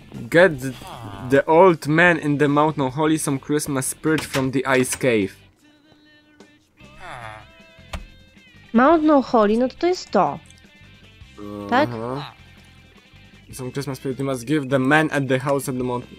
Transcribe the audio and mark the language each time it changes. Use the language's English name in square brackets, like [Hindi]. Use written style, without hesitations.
[English] Get the old man in the mountain holy some Christmas spirit from the ice cave. [Polish] Mountain Holly, no to jest to. Tak? [English] Some Christmas spirit must give the man at the house at the mountain.